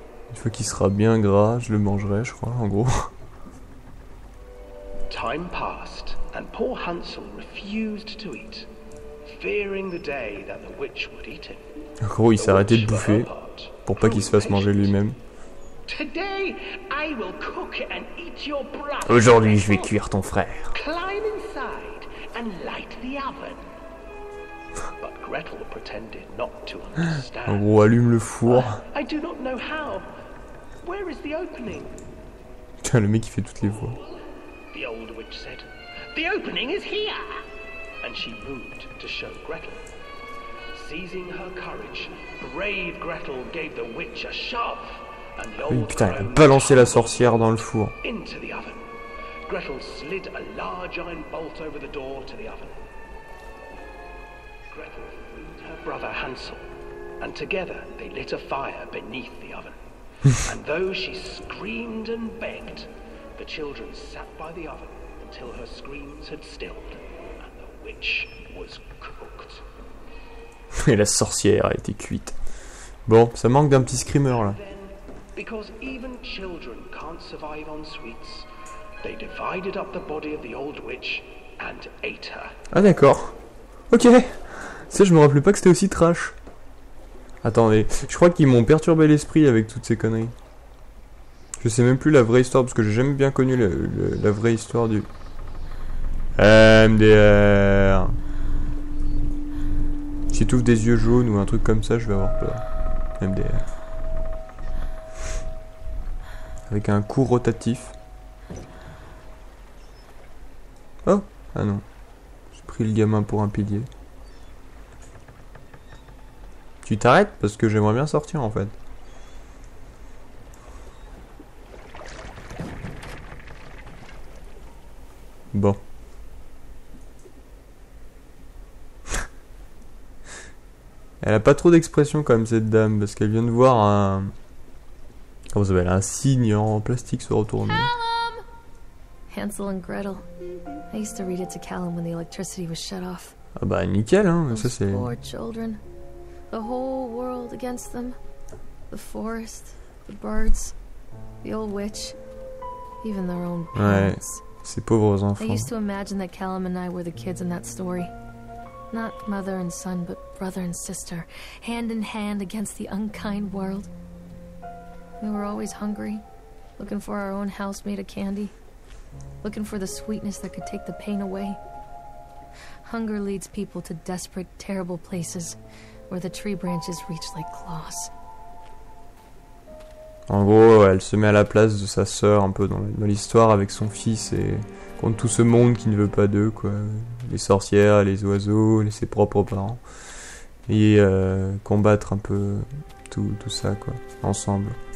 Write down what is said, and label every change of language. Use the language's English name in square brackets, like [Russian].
[French] Une fois qu'il sera bien gras, je le mangerai, je crois, en gros. [English] Time passed, and poor Hansel refused to eat, fearing the day that the witch would eat him. [French] En gros, il s'arrêtait de bouffer pour pas qu'il se fasse manger lui-même. [English] Today, I will cook and eat your brother. [French] Aujourd'hui, je vais cuire ton frère. [English] Climb inside and light the oven. But Gretel pretended not to understand. [French] En gros, allume le four. [English] I do not know how. Where is the opening? [French] Putain, le mec il fait toutes les voix. [English] The old witch said, the opening is here. and she moved to show Gretel. Seizing her courage, brave Gretel gave the witch a shove, and the old [French] putain, elle a balancé la sorcière dans le four. [English] Into the oven. Gretel slid a large iron bolt over the door to the oven. Gretel freed her brother Hansel, and together they lit a fire beneath the oven. And though she screamed and begged, the children sat by the oven until her screams had stilled, and the witch was cooked. [French] Et la sorcière a été cuite. Bon, ça manque d'un petit screamer là. [English] Because even children can't survive on sweets, they divided up the body of the old witch and ate her. [French] Ah d'accord. Ok. Tu sais, je me rappelais pas que c'était aussi trash. Attendez, je crois qu'ils m'ont perturbé l'esprit avec toutes ces conneries. Je sais même plus la vraie histoire, parce que j'ai jamais bien connu la vraie histoire du... MDR. Si t'ouvres des yeux jaunes ou un truc comme ça, je vais avoir peur. MDR. Avec un coup rotatif. Oh! Ah non. J'ai pris le gamin pour un pilier. Tu t'arrêtes? Parce que j'aimerais bien sortir en fait. Bon. Elle a pas trop d'expression quand même cette dame, parce qu'elle vient de voir un... Comment ça s'appelle? Un signe en plastique se retourner. [English] Callum! Hansel and Gretel. I used to read it to Callum when the electricity was shut off. [French] Ah bah nickel hein, [English] those [French] ça c'est... [English] Poor children. The whole world against them. The forest, the birds, the old witch, even their own parents. [French] Ouais, ses pauvres enfants. [English] I used to imagine that Callum and I were the kids in that story. Not mother and son, but brother and sister, hand in hand against the unkind world. We were always hungry, looking for our own house made of candy, looking for the sweetness that could take the pain away. Hunger leads people to desperate, terrible places, where the tree branches reach like claws. [French] En gros, elle se met à la place de sa sœur un peu dans l'histoire avec son fils et contre tout ce monde qui ne veut pas d'eux, quoi. Les sorcières, les oiseaux, ses propres parents. Et combattre un peu tout ça, quoi, ensemble.